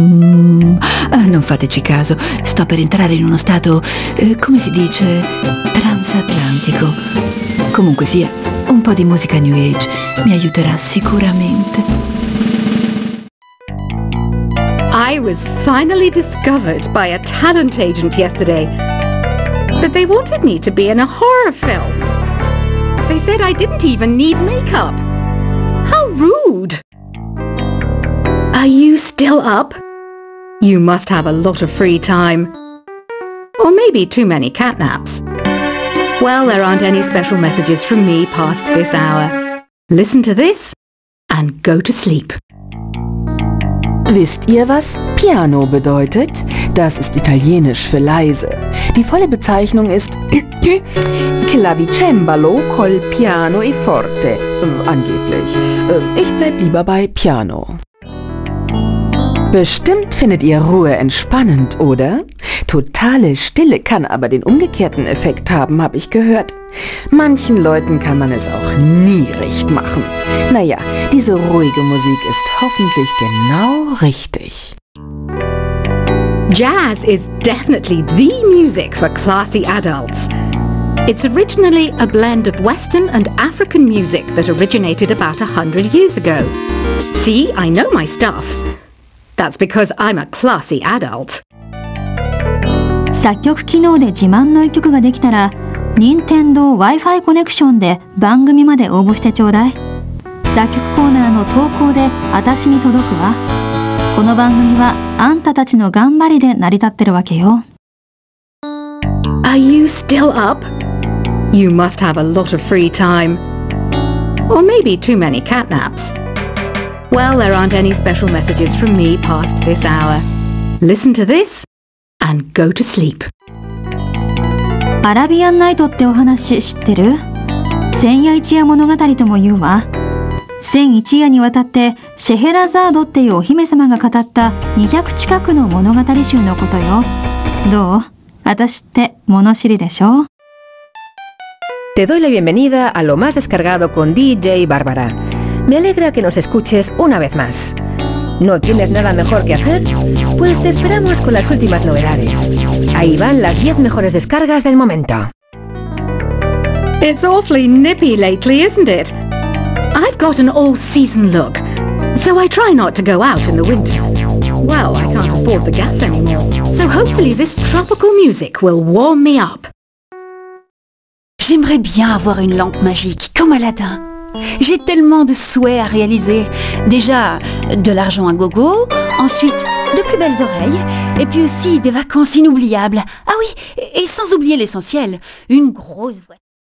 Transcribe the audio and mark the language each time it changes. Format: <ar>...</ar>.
<it>Non fateci caso, sto per entrare in uno stato, come si dice, transatlantico. Comunque sia, un po' di musica New Age mi aiuterà sicuramente.</it> <en>I was finally discovered by a talent agent yesterday. But they wanted me to be in a horror film. They said I didn't even need makeup. How rude! Are you still up? You must have a lot of free time. Or maybe too many catnaps. Well, there aren't any special messages from me past this hour. Listen to this and go to sleep.</en> <de>Wisst ihr, was Piano bedeutet? Das ist Italienisch für leise. Die volle Bezeichnung ist Clavicembalo col piano e forte. Angeblich. Ich bleib lieber bei Piano. Bestimmt findet ihr Ruhe entspannend, oder? Totale Stille kann aber den umgekehrten Effekt haben, habe ich gehört. Manchen Leuten kann man es auch nie recht machen. Naja, diese ruhige Musik ist hoffentlich genau richtig.</de> <en>Jazz is definitely the music for classy adults. It's originally a blend of Western and African music that originated about 100 years ago. See, I know my stuff. That's because I'm a classy adult.</en> <ja>作曲機能で自慢の一曲ができたら、任天堂 Wi-Fi コネクションで番組まで応募してちょうだい。作曲コーナーの投稿で私に届くわ。この番組はあんたたちの頑張りで成り立ってるわけよ。</ja> <en>Are you still up? You must have a lot of free time. Or maybe too many catnaps. Well, there aren't any special messages from me past this hour. Listen to this and go to sleep.</en> <ja>アラビアンナイトってお話知ってる？千夜一夜物語とも言うわ。千一夜にわたってシェヘラザードっていうお姫様が語った200近くの物語集のことよ。どう？私って物知りでしょ？</ja> <es>Te doy la bienvenida a lo más descargado con DJ Bárbara. Me alegra que nos escuches una vez más. ¿No tienes nada mejor que hacer? Pues te esperamos con las últimas novedades. Ahí van las 10 mejores descargas del momento.</es> <en>It's awfully nippy lately, isn't it? I've got an all-season look, so I try not to go out in the winter. Well, I can't afford the gas anymore, so hopefully this tropical music will warm me up.</en> <fr>J'aimerais bien avoir une lampe magique comme Aladdin. J'ai tellement de souhaits à réaliser. Déjà, de l'argent à gogo, ensuite, de plus belles oreilles, et puis aussi des vacances inoubliables. Ah oui, et sans oublier l'essentiel, une grosse voiture.</fr>